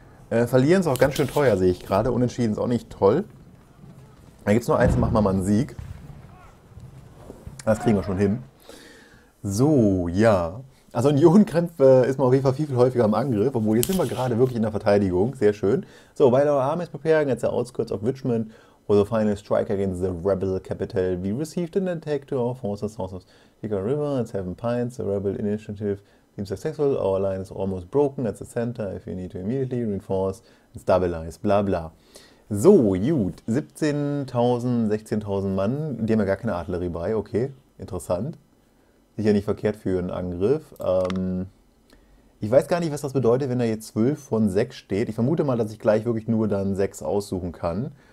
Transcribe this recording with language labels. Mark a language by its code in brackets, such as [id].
[de] Verlieren ist auch ganz schön teuer, sehe ich gerade. Unentschieden ist auch nicht toll. Da gibt es nur eins, machen wir mal einen Sieg. Das kriegen wir schon hin. So, ja. Also Unionkrämpfe ist man auf jeden Fall viel, viel häufiger im Angriff. Obwohl, jetzt sind wir gerade wirklich in der Verteidigung. Sehr schön. [en] So, while our army is preparing at the outskirts of Richmond, for the final strike against the rebel capital, we received an attack to our forces south of Tigger River and Seven Pines. The rebel initiative seems successful. Our line is almost broken at the center. If we need to immediately reinforce and stabilize, bla bla. [de] So, gut. 17.000, 16.000 Mann. Die haben ja gar keine Artillerie bei. Okay, interessant. Sicher nicht verkehrt für einen Angriff. Ich weiß gar nicht, was das bedeutet, wenn da jetzt 12 von 6 steht. Ich vermute mal, dass ich gleich wirklich nur dann 6 aussuchen kann.